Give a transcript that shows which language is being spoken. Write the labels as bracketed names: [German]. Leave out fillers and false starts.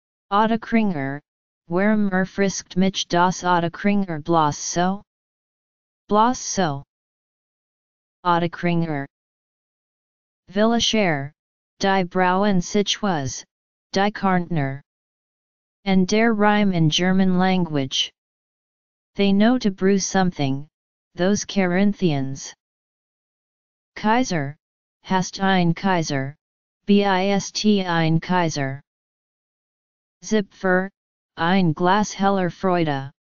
[German] Ottakringer, warum erfrischt mich das Ottakringer bloß so? Bloß so. Ottakringer. Villacher, die Brauen sich was, die Kärntner. [English] And der rhyme in German language. They know to brew something. Those Carinthians. [German] Kaiser, hast ein Kaiser, bist ein Kaiser. Zipfer, ein Glas heller Freude.